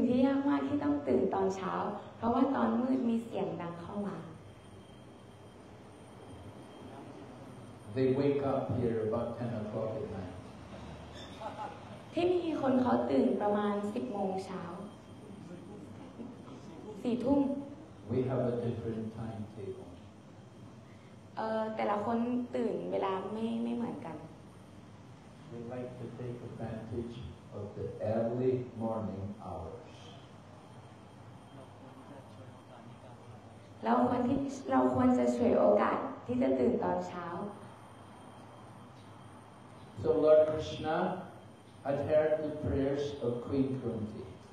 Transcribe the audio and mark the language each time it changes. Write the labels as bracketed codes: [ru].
[th] เช้าเพราะว่าตอนมืดมีเสียงดังเข้ามา [en] They wake up here about 10 o'clock at night [th] ที่มีคนเขาตื่นประมาณ10โมงเช้า4ทุ่ม [en] We have a different time table [th] แต่ละคนตื่นเวลาไม่เหมือนกัน [en] We like to take advantage of the early morning hour [th] เราควรจะฉวยโอกาสที่จะตื่นตอนเช้า [en] So Lord Krishna has heard the prayers of Queen Kunti